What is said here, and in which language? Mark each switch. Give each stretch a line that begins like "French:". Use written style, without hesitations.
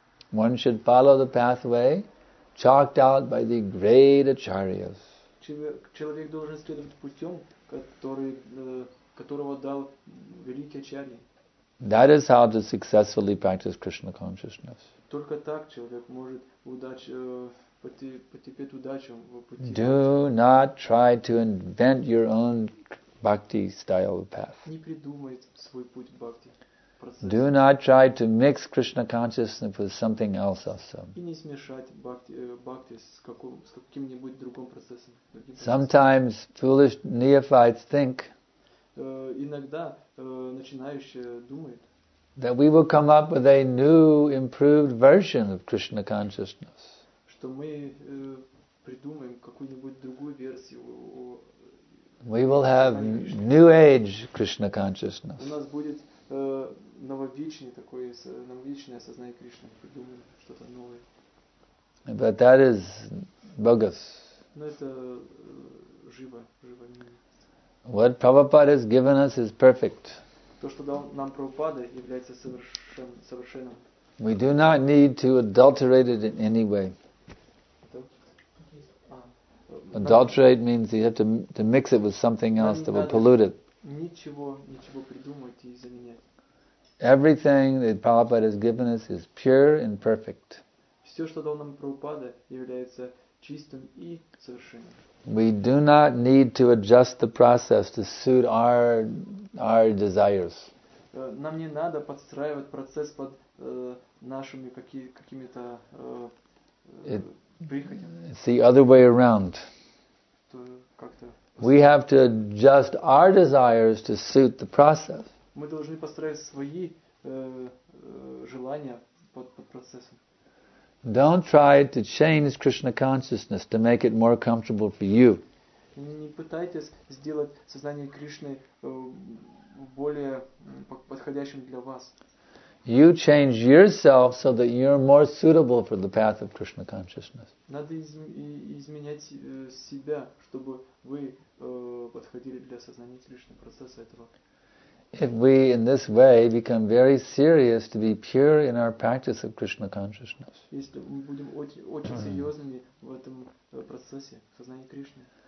English: One should follow the pathway chalked out by the great acharyas.
Russian: Человек должен следовать путем, которого дал великий ачарья.
English: That is how to successfully practice Krishna consciousness.
Russian: Только так человек может потерпеть удачу в пути.
English: Do not try to invent your own bhakti style path.
Russian: Не придумывает свой путь бхакти.
English: Do not try to mix Krishna consciousness with something else also.
Russian: И не смешать бхакти с каким-нибудь другим процессом.
English: Sometimes foolish neophytes think.
Russian: иногда начинающие думают.
English: That we will come up with a new, improved version of Krishna consciousness.
Russian: Что мы придумаем какую-нибудь другую версию.
English: We will have new age Krishna consciousness.
Russian: У нас будет нововечный такой, нововечное сознание Кришны. Придумаем что-то новое.
English: But that is bogus.
Russian: Но это живо, живо.
English: What Prabhupada has given us is perfect.
Russian: То, что дал нам Прабхупада, является совершенным.
English: We do not need to adulterate it in any way. Adulterate means you have to mix it with something else that will pollute it.
Russian: Ничего придумать и заменять.
English: Everything that Prabhupada has given us is pure and perfect.
Russian: Все, что дал нам Прабхупада, является чистым и совершенным.
English: We do not need to adjust the process to suit our desires.
Russian: Нам не надо подстраивать процесс под нашими какими-то прихотями.
English: It's the other way around. We have to adjust our desires to suit the process.
Russian: Мы должны подстраивать свои желания под процессом.
English: Don't try to change Krishna consciousness to make it more comfortable for you.
Russian: Не пытайтесь сделать сознание Кришны более подходящим для вас.
English: You change yourself so that you're more suitable for the path of Krishna consciousness.
Russian: Надо изменять себя, чтобы вы подходили для сознания Кришны, процесса этого.
English: If we in this way become very serious to be pure in our practice of Krishna consciousness.
Russian: Если мы будем очень серьёзными в этом процессе сознания Кришны.